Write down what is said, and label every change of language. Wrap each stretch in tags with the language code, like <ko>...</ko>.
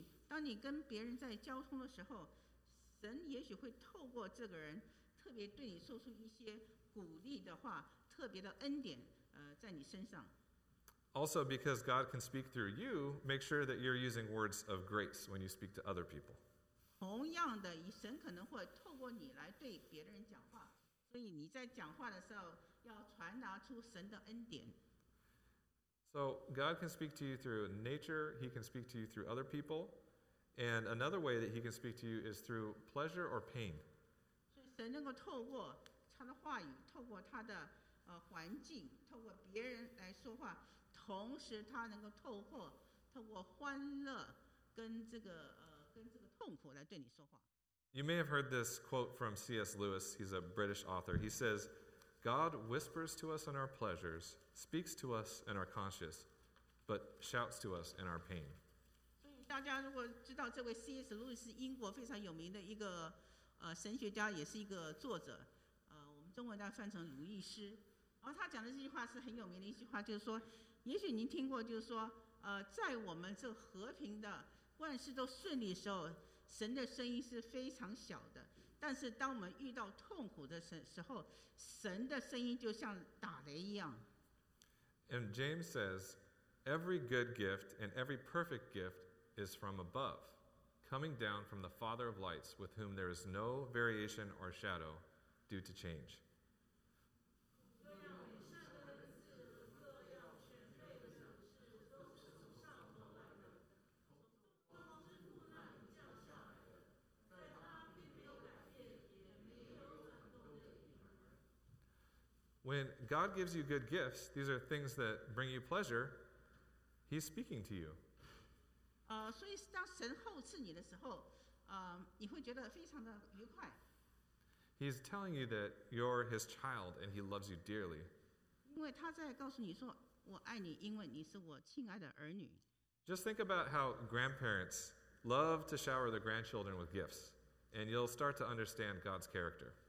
<zh>当你跟别人在交通的时候,神也许会透过这个人特别对你说出一些鼓励的话，特别的恩典在你身上。</zh> <en>Also, because God can speak through you, make sure that you're using words of grace when you speak to other people.</en> <zh>同样的，神可能会透过你来对别人讲话，所以你在讲话的时候要传达出神的恩典。</zh> <en>So God can speak to you through nature. He can speak to you through other people. And another way that He can speak to you is through pleasure or pain.</en> <zh>所以神能够透过他的话语，透过他的环境，透过别人来说话。同时他能够透过欢乐跟这个痛苦来对你说话。</zh> <en>You may have heard this quote from C.S. Lewis. He's a British author. He says, God whispers to us in our pleasures, speaks to us in our conscience, but shouts to us in our pain.</en> <zh>所以大家如果知道这位 C.S. Lewis 是英国非常有名的一个神学家，也是一个作者，我们中文大概翻成鲁易斯。然后他讲的这句话是很有名的一句话，就是说，也许您听过，就是说，在我们这和平的万事都顺利的时候，神的声音是非常小的。但是当我们遇到痛苦的时候，神的声音就像打雷一样。</zh> <en>And James says, every good gift and every perfect gift is from above, coming down from the Father of lights, with whom there is no variation or shadow due to change. When God gives you good gifts, these are things that bring you pleasure, He's speaking to you. So when</en> <zh>神厚赐你的时候，你会觉得非常的愉快。</zh> <en>He's telling you that you're His child and He loves you dearly.</en> <zh>因为他在告诉你说，我爱你，因为你是我亲爱的儿女。</zh> <en>Just think about how grandparents love to shower their grandchildren with gifts, and you'll start to understand God's character.</en>